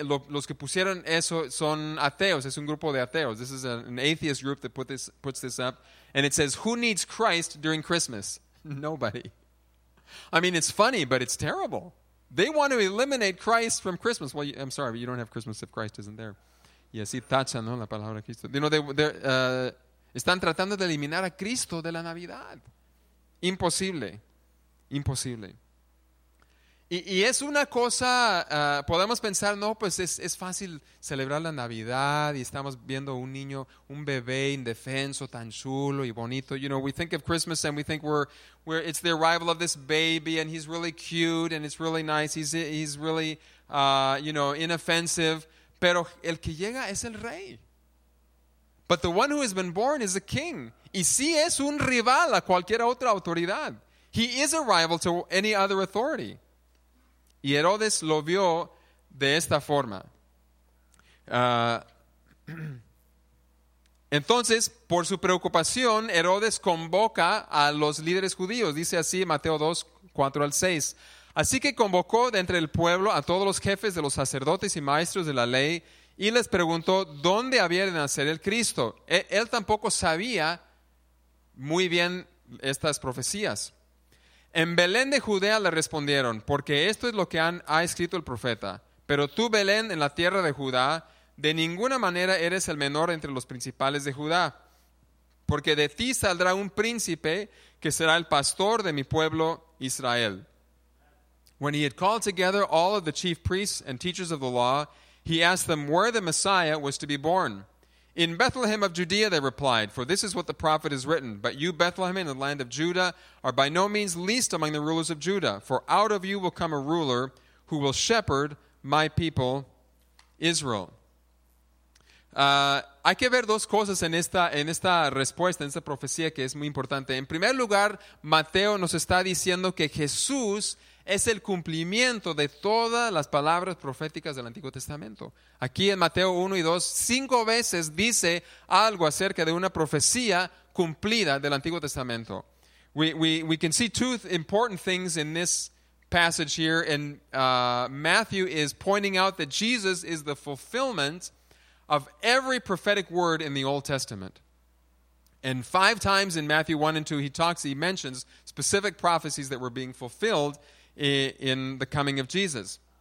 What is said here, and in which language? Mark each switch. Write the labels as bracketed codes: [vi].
[es] Los que pusieron eso son ateos, es un grupo de ateos. [en] This is an atheist group that puts this up. And it says, who needs Christ during Christmas? Nobody. I mean, it's funny, but it's terrible. They want to eliminate Christ from Christmas. Well, I'm sorry, but you don't have Christmas if Christ isn't there. [es] Y así tachan, ¿no?, la palabra Cristo. You know, están tratando de eliminar a Cristo de la Navidad. Imposible. Imposible. Y es una cosa, podemos pensar, no, pues es fácil celebrar la Navidad y estamos viendo un niño, un bebé indefenso, tan chulo y bonito. [en] You know, we think of Christmas and we think we're it's the arrival of this baby and he's really cute and it's really nice. He's really, you know, inoffensive. [es] Pero el que llega es el rey. [en] But the one who has been born is a king. [es] Y sí es un rival a cualquier otra autoridad. [en] He is a rival to any other authority. [es] Y Herodes lo vio de esta forma. Entonces, por su preocupación, Herodes convoca a los líderes judíos. Dice así Mateo 2, 4 al 6. Así que convocó de entre el pueblo a todos los jefes de los sacerdotes y maestros de la ley y les preguntó dónde había de nacer el Cristo. Él tampoco sabía muy bien estas profecías. En Belén de Judea le respondieron, porque esto es lo que ha escrito el profeta. Pero tú, Belén, en la tierra de Judá, de ninguna manera eres el menor entre los principales de Judá. Porque de ti saldrá un príncipe que será el pastor de mi pueblo Israel. [en] When he had called together all of the chief priests and teachers of the law, he asked them where the Messiah was to be born. In Bethlehem of Judea, they replied, for this is what the prophet has written. But you, Bethlehem, in the land of Judah, are by no means least among the rulers of Judah. For out of you will come a ruler who will shepherd my people, Israel. [es] Hay que ver dos cosas en esta respuesta, en esta profecía que es muy importante. En primer lugar, Mateo nos está diciendo que Jesús es el cumplimiento de todas las palabras proféticas del Antiguo Testamento. Aquí en Mateo 1 y 2, 5 veces dice algo acerca de una profecía cumplida del Antiguo Testamento. [en] We can see two important things in this passage here. And Matthew is pointing out that Jesus is the fulfillment of every prophetic word in the Old Testament. And 5 times in Matthew 1 and 2, he mentions specific prophecies that were being fulfilled in the coming of Jesus.